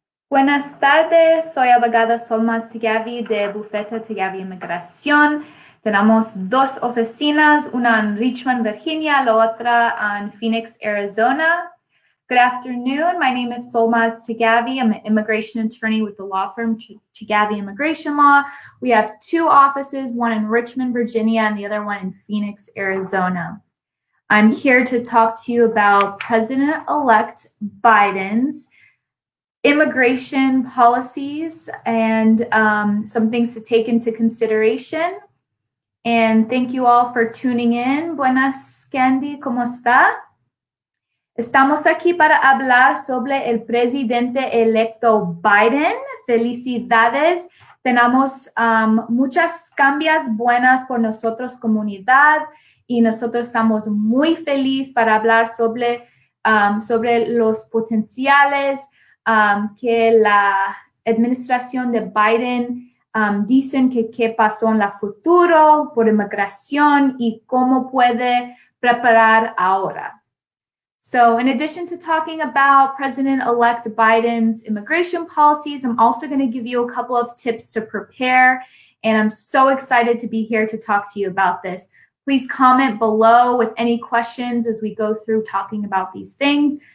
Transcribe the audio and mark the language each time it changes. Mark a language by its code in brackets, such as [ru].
[es] Buenas tardes, soy abogada Soulmaz Taghavi de Bufete Taghavi Inmigración. Tenemos dos oficinas, una en Richmond, Virginia, la otra en Phoenix, Arizona. [en] Good afternoon, my name is Soulmaz Taghavi. I'm an immigration attorney with the law firm Taghavi Immigration Law. We have two offices, one in Richmond, Virginia, and the other one in Phoenix, Arizona. I'm here to talk to you about President-elect Biden's immigration policies and some things to take into consideration. And thank you all for tuning in. [es] Buenas, Candy, ¿cómo está? Estamos aquí para hablar sobre el presidente electo Biden. Felicidades. Tenemos muchas cambios buenas por nosotros, comunidad, y nosotros estamos muy felices para hablar sobre, sobre los potenciales que la administración de Biden dicen que qué pasó en el futuro por inmigración y cómo puede preparar ahora. [en] So in addition to talking about President-elect Biden's immigration policies, I'm also going to give you a couple of tips to prepare. And I'm so excited to be here to talk to you about this. Please comment below with any questions as we go through talking about these things.